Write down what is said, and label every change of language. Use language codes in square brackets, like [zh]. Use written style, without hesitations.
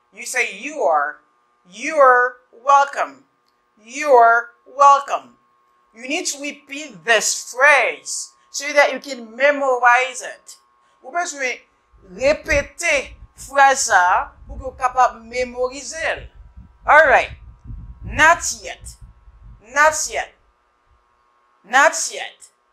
[en] You say you are, you're welcome, you're welcome. You need to repeat this phrase so that you can memorize it. [fr] Vous pouvez répéter phrase ça pour que vous capable mémoriser. [en] All right, not yet, not yet, not yet.